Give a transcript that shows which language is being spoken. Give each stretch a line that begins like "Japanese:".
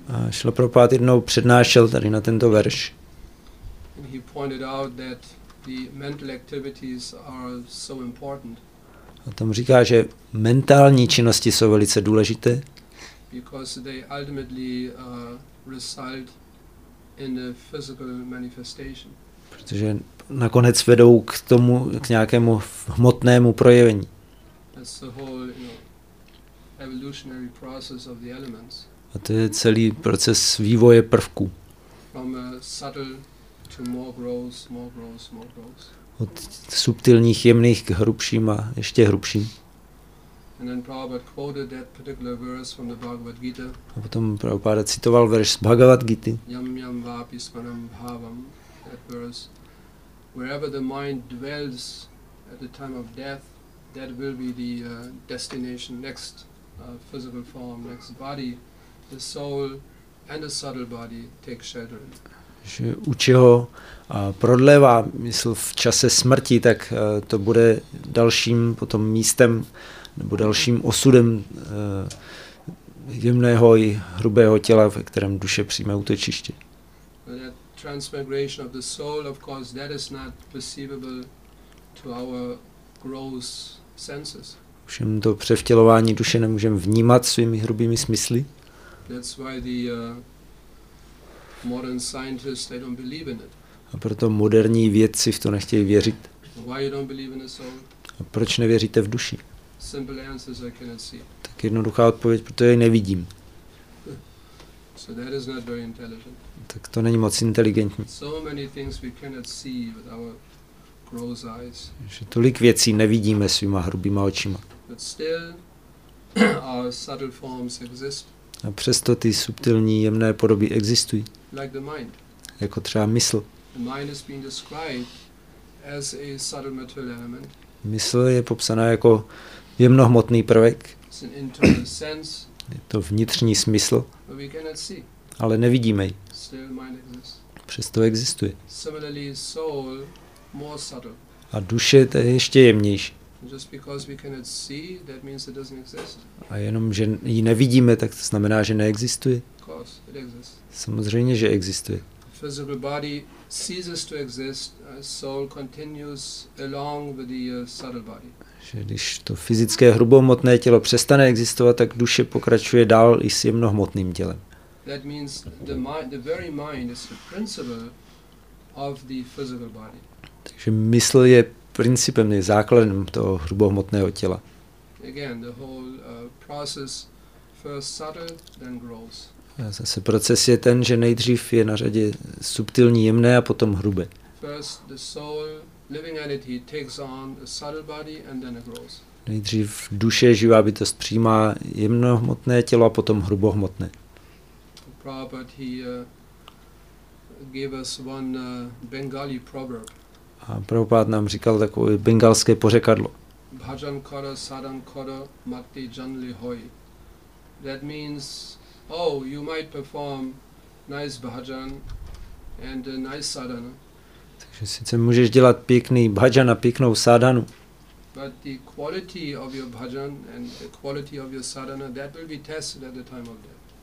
Czech: Srila Prabhupada jednou přednášel tady na tento verš.
English: And he pointed out that the mental activities are so important.
Czech: A tam říká, že mentální činnosti jsou velice důležité.
English: Because they ultimately result in a physical manifestation.
Czech: Protože nakonec vedou k tomu, k nějakému hmotnému projevení.
English: That's the whole, evolutionary process of the elements.
Czech: A to je celý proces vývoje prvků.
English: From a subtle to more gross, more gross, more gross.
Czech: Od subtilních jemných k hrubším a ještě hrubším.
English: And then Prabhupada quoted that particular verse from the Bhagavad Gita.
Czech: A potom Prabhupada citoval verš z Bhagavad Gity.
Sanskrit: Yam yam vapi smaram bhavam,
English: that verse. Wherever the mind dwells at the time of death, that will be the destination, next physical form, next body, the soul and the subtle body take shelter.
Czech: Že u čeho prodlevá mysl v čase smrti, tak to bude dalším potom místem nebo dalším osudem jemného i hrubého těla, ve kterém duše přijme útočiště.
English: Transmigration of the soul, of course, that is not perceivable to our gross senses.
Czech: Všem to převtělování duše nemůžeme vnímat svými hrubými smysly.
English: That's why the modern scientists, they don't believe in it.
Czech: A proto moderní vědci v to nechtějí věřit.
English: Why you don't believe in the soul?
Czech: A proč nevěříte v duši?
English: Simple answers, I cannot see.
Czech: Tak jednoduchá odpověď, proto jej nevidím.
English: So that is not very intelligent.
Czech: Tak to není moc inteligentní.
English: So many things we cannot see with our gross eyes.
Czech: Že tolik věcí nevidíme svýma hrubýma očima.
English: But still, our subtle forms exist.
Czech: A přesto ty subtilní jemné podoby existují.
English: Like the mind.
Czech: Jako třeba mysl.
English: The mind is being described as a subtle material element.
Czech: Mysl je popsaná jako jemnohmotný prvek.
English: It's an internal sense.
Czech: Je to vnitřní smysl.
English: But we cannot see.
Czech: Ale nevidíme ji.
English: Still mind exists.
Czech: Přesto existuje.
English: Similarly, soul more subtle.
Czech: A duše to je ještě jemnější.
English: Just because we cannot see, that means it doesn't exist.
Czech: A jenom, že ji nevidíme, tak to znamená, že neexistuje.
English: Of course, it exists.
Czech: Samozřejmě, že existuje.
English: Physical body ceases to exist, soul continues along with the subtle body.
Czech: Že když to fyzické hrubohmotné tělo přestane existovat, tak duše pokračuje dál i s jemnohmotným tělem.
English: That means the very mind is the principle of the physical body.
Czech: Takže mysl je principem, je základem toho hrubohmotného těla.
English: Again, the whole process first subtle, then grows.
Czech: Zase proces je ten, že nejdřív je na řadě subtilní, jemné a potom hrubé.
English: First the soul, living entity takes on a subtle body and then it grows.
Czech: Nejdřív duše, živá bytost, přijímá jemnohmotné tělo a potom hrubohmotné.
English: Prabhupada, he gave us one Bengali proverb.
Czech: A Prabhupád nám říkal takové bengalské pořekadlo.
Bangla: Bhajan kara sadan kara makti janli hoy.
English: That means, oh, you might perform nice bhajan and a nice sadhana.
Czech: Takže sice můžeš dělat pěkný bhajan a pěknou sadhanu.
English: But the quality of your bhajan and the quality of your sadhana, that will be tested at the time of death.